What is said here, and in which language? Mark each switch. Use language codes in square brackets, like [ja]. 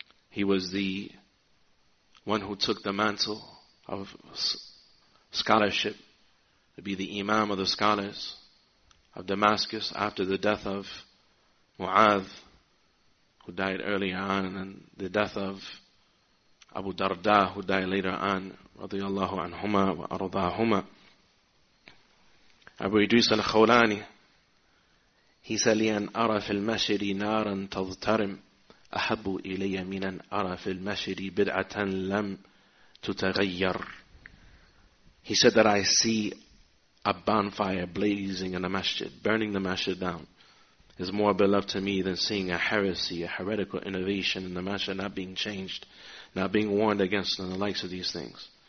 [en] He was the one who took the mantle of scholarship to be the imam of the scholars of Damascus after the death of Mu'adh, who died earlier on, and the death of Abu Darda, who died later on, [ar] radiyallahu anhuma wa aradahuma. [en] Abu Idris al-Khawlani, He said, [ar] لِأَنْ أَرَى فِي الْمَشْرِ نَارًا تَضْتَرِمْ أَحَبُّ إِلَيَّ مِنَ أَنْ أَرَى فِي الْمَشْرِ بِدْعَةً لَمْ تُتَغَيَّرْ. [en] He said that I see a bonfire blazing in the masjid, burning the masjid down, is more beloved to me than seeing a heresy, a heretical innovation in the masjid not being changed, not being warned against, and the likes of these things.